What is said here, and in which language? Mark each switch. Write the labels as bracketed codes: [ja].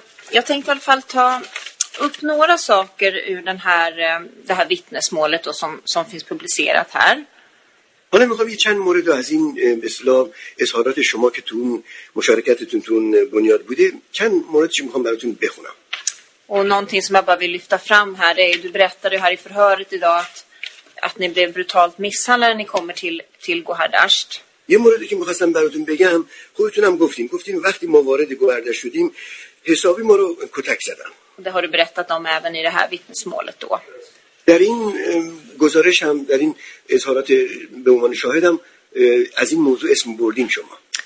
[sv] Jag tänkte i alla fall ta upp några saker ur det här vittnesmålet som finns publicerat här. [fa] حالا میخوام یه چند مورد از این مثلا اظهارات شما که تو مشارکتتون تو بنیاد بوده چند موردش میخوام براتون بخونم. [sv] و någonting som jag bara vill lyfta fram här är du berättade här i förhöret idag att ni blev brutalt misshandlade när ni kommer till Gohardasht. [fa] یه موردی که میخواستم براتون بگم، خودتونم گفتین وقتی ما وارد گوهردشت شدیم حسابی ما رو کتک زدن. [sv] Det har du berättat om även i det här vittnesmålet då. [fa] در این گزارش هم، در این اظهارات به عنوان شاهدم از این موضوع اسم بردین شما.